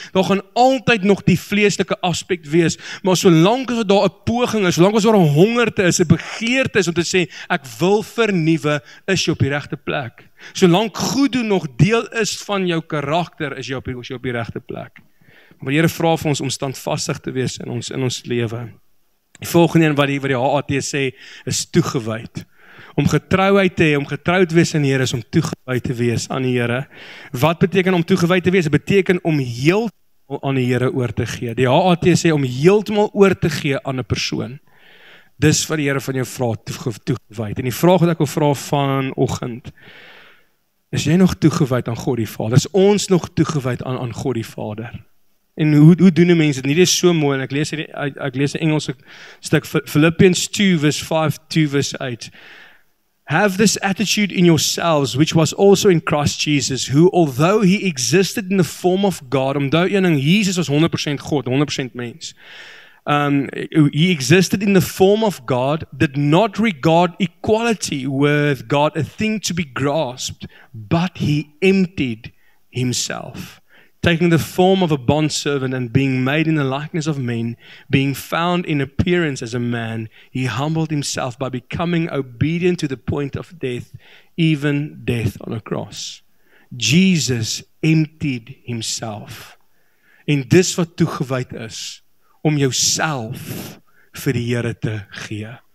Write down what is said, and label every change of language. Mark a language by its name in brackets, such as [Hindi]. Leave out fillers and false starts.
[Afrikaans] Daar gaan altyd nog die vleeslike aspek wees, maar solank as daar 'n poging is, solank as daar 'n hongerte is, 'n begeerte is om te sê ek wil vernuwe, is jy op die regte plek. Solank goed doen nog deel is van jou karakter, is jy op die regte plek. Maar die Here vra vir ons om standvastig te wees in ons lewe. Die volgende een wat die HAT sê, is toegewyd. Om getrouheid te hê, om getrou te wees aan die Here, is om toegewyd te wees aan die Here. Wat beteken om toegewyd te wees? Dit beteken om heeltemal aan die Here oor te gee. Die HAT sê om heeltemal oor te gee aan 'n persoon. Dis wat die Here van jou vra, toegewyd. En die vraag wat ek wil vra vanoggend, is jy nog toegewyd aan God die Vader? Is ons nog toegewyd aan God die Vader? En hoe doen die mense dit? Nie dis so mooi, en ek lees 'n Engelse stuk, [English] Philippians 2 verse 5, 2 verse 8, have this attitude in yourselves, which was also in Christ Jesus, who, although he existed in the form of God, [Afrikaans] omdat een ding, Jesus was 100% God, 100% mens, [English] he existed in the form of God, did not regard equality with God a thing to be grasped, but he emptied himself, taking the form of a bondservant and being made in the likeness of men, being found in appearance as a man, he humbled himself by becoming obedient to the point of death, even death on a cross. Jesus emptied himself. [Afrikaans] En dis wat toegewyd is, om jouself vir die Here te gee.